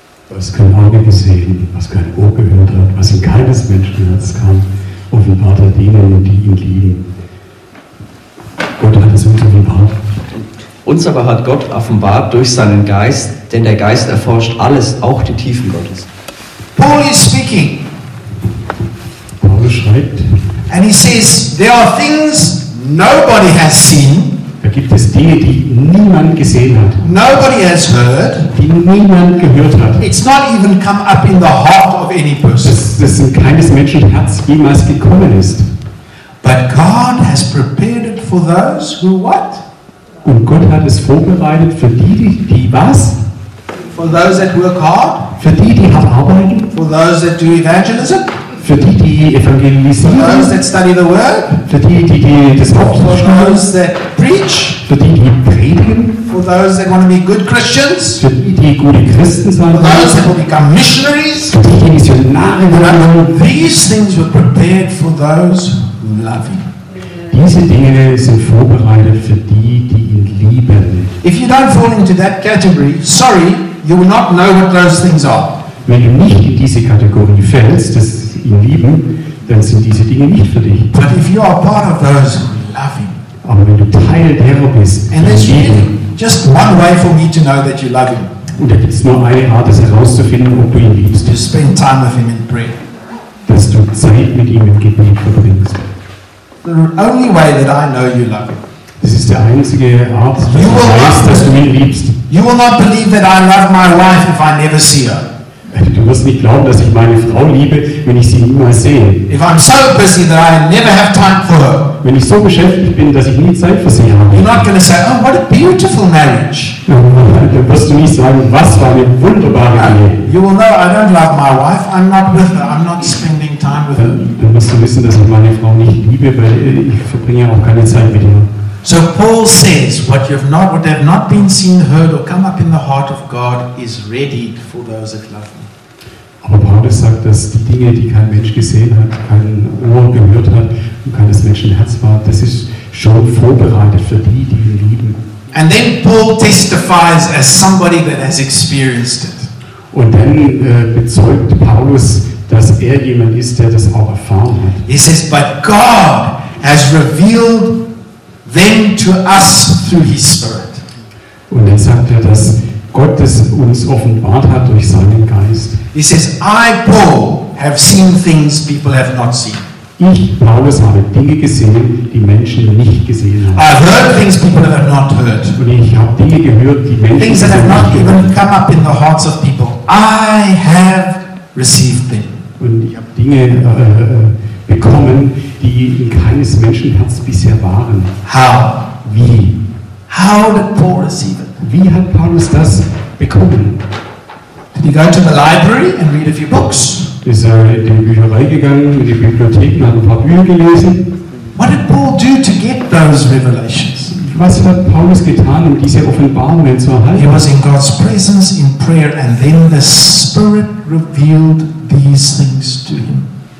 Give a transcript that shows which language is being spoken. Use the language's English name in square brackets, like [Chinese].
[German] Was kein Auge gesehen, was kein Ohr gehört hat, was in keines Menschen Herz kam, offenbart er denen, die ihn lieben. Gott hat es uns offenbart. Uns aber hat Gott offenbart durch seinen Geist, denn der Geist erforscht alles, auch die Tiefen Gottes. [English] Paul is speaking. [German] Paul schreibt. [English] And he says, there are things nobody has seen. [German] Da gibt es Dinge, die niemand gesehen hat. [English] Nobody has heard. [German] Die niemand gehört hat. [English] It's not even come up in the heart of any person. [German] Das in keines menschlichen Herz jemals gekommen ist. [English] But God has prepared it for those who what? [German] Und Gott hat es vorbereitet für die was? [English] For those that work hard. [German] Für die hart arbeiten. [English] For those that do evangelism. [German] Für die evangelisieren. [English] For those that study the word. [German] Für die das Wort studieren. [English] For those that preach. [German] Für die predigen. [English] For those that want to be good Christians. [German] Für die gute Christen sein. [English] For those that will become missionaries. [German] Für die Missionare werden. [English] These things were prepared for those who love him. [German] Diese Dinge sind vorbereitet für die ihn lieben. [English] If you don't fall into that category, sorry, you will not know what those things are. [German] Wenn du nicht in diese Kategorie fällst, das ihn lieben, dann sind diese Dinge nicht für dich. [English] But if you are part of those who love him, [German] aber wenn du Teil derer bist, [English] and there's really just one way for me to know that you love him. [German] Und da gibt's nur eine Art, das herauszufinden, ob du ihn liebst. [English] To spend time with him in prayer. [German] Dass du Zeit mit ihm im Gebet verbringst. [English] The only way that I know you love him. [German] Das ist der einzige Art, dass du weißt, dass du ihn liebst. [English] You will not believe that I love my wife if I never see her. [German] Du wirst nicht glauben, dass ich meine Frau liebe, wenn ich sie niemals sehe. [English] If I'm so busy that I never have time for her. [German] Wenn ich so beschäftigt bin, dass ich nie Zeit für sie habe. [English] You're not going to say, oh, what a beautiful marriage. [German] Dann wirst du nicht sagen, was für eine wunderbare Ehe. [English] You will know, I don't love my wife. I'm not with her. I'm not spending time with her. [German] Dann wirst du wissen, dass ich meine Frau nicht liebe, weil ich verbringe auch keine Zeit mit ihr. [English] So Paul says, what you have not, what have not been seen, heard, or come up in the heart of God is ready for those that love me. [German] Aber Paulus sagt, dass die Dinge, die kein Mensch gesehen hat, kein Ohr gehört hat und keines Menschen Herz war, das ist schon vorbereitet für die, die ihn lieben. [English] And then Paul testifies as somebody that has experienced it. [German] Und dann bezeugt Paulus, dass er jemand ist, der das auch erfahren hat. [English] He says, but God has revealed them to us through His Spirit. [German] Und dann sagt er, dass Gott es uns offenbart hat durch seinen Geist. [English] He says, I, Paul, have seen things people have not seen. [German] Ich, Paulus, habe Dinge gesehen, die Menschen nicht gesehen haben. [English] I've heard things people have not heard. [German] Und ich habe Dinge gehört, die Menschen [English] things that have [German] nicht [English] not even come up in the hearts of people. I have received them. [German] Und ich habe Dinge bekommen, die in keines Menschen Herz bisher waren. [English] How? [German] Wie? [English] How did Paul receive it? [German] Wie hat Paulus das bekommen? [English] Did he go to the library and read a few books? [German] Ist er in die Bücherei gegangen, in die Bibliothek, hat ein paar Bücher gelesen? [English] What did Paul do to get those revelations? [German] Was hat Paulus getan, um diese Offenbarungen zu erhalten? [English] He was in God's presence in prayer, and then the Spirit revealed these things to him.